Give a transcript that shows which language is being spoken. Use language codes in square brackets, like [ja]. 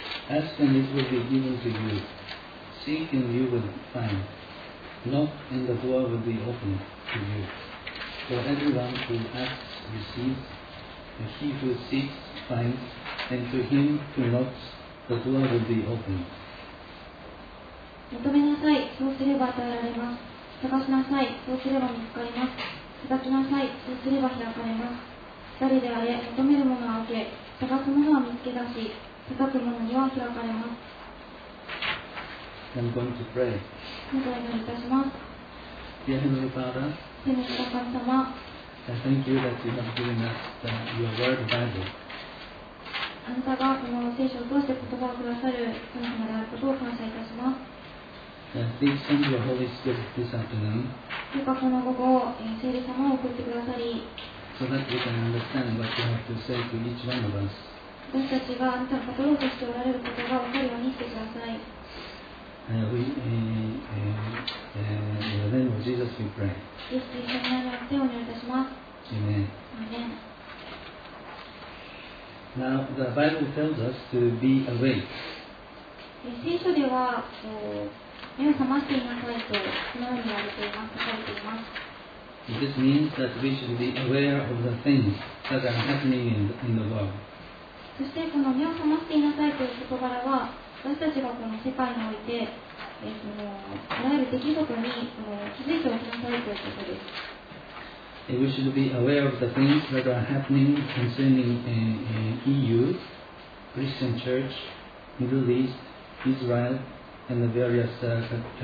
[en] Ask and it will be given to you. Seek and you will find. Knock and the door will be opened to you. For everyone who asks receives. And he who seeks finds, and to him who knocks, the door will be opened. [ja] 求めなさい、そうすれば与えられます。探しなさい、そうすれば見つかります。叩きなさい、そうすれば開かれます。誰であれ、求めるものは受け、探すものは見つけ出し、叩くものには開かれます。 [en] I'm going to pray. [ja] お願いいたします。 [en] Dear Heavenly Father, [ja] 天のお父様、 [en] I thank you that you have given us the, your word, Bible. [ja] あなたがこの聖書を通して言葉をくださる神様であることを感謝いたします。 [en] Please send your Holy Spirit this afternoon. [ja] どうかこの午後、聖霊様を送ってくださり、 [en] so that we can understand what you have to say to each one of us. [ja] 私たちがあなたの語ろうとしておられることが分かるようにしてください。 [en] In the name of Jesus we pray. Amen. Now the Bible tells us to be awake. This means that we should be aware of the things that are happening in the world. [ja] そしてこの目を覚ましていなさいという言葉は私たちがこの世界においてあらゆる出来事に気づいておきなさいということです。 [en] We should be aware of the things that are happening concerning EU, Christian Church, Middle East, Israel, and the various catastrophes.